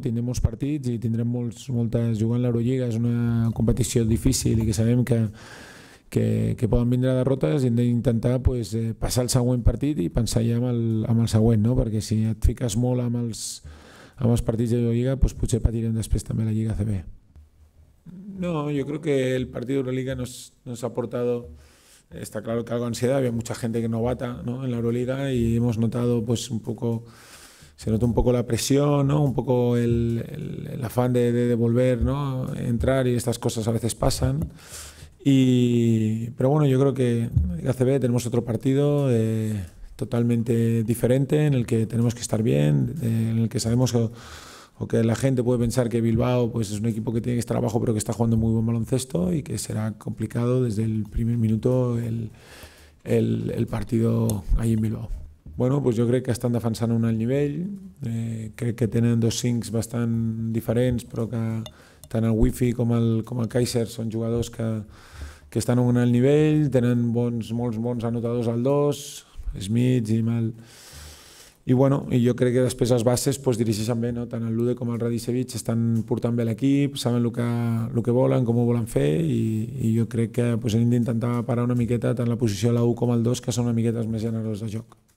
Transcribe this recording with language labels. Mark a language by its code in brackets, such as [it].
[ca] Tindrem molts partits i tindrem moltes jugant a l'Eurolliga, és una competició difícil i que sabem que poden vindre derrotes i hem d'intentar pues, passar el següent partit i pensar ja en el següent, no? Perquè si et fiques molt amb els partits de l'Eurolliga, pues, potser patirem després també la Lliga ACB. [es] No, yo creo que el partido de Euroliga nos ha aportado, está claro que algo de ansiedad, había mucha gente que novata, ¿no? En la Euroliga y hemos notado pues un poco, se nota un poco la presión, ¿no? Un poco el afán de volver, ¿no? Entrar y estas cosas a veces pasan. Pero bueno, yo creo que ACB tenemos otro partido totalmente diferente en el que tenemos que estar bien, en el que sabemos que. O que la gente puede pensar que Bilbao pues, es un equipo que tiene que estar abajo, pero que está jugando muy buen baloncesto y que será complicado desde el primer minuto el partido ahí en Bilbao. Bueno, pues yo creo que están [ca] defensant a un alt nivell. Crec que tenen dos cincs bastant diferents, però que tant el Wifi com el Kaiser són jugadors que estan a un alt nivell, tenen molts bons anotadors al dos, Smith i mal. I bueno, jo crec que després les bases pues, dirigeixen bé, no? Tant el Lude com el Radicevic estan portant bé l'equip, saben el que volen, com ho volen fer i jo crec que pues, hem d'intentar parar una miqueta tant la posició de la 1 com el 2, que són una miqueta més generosos de joc.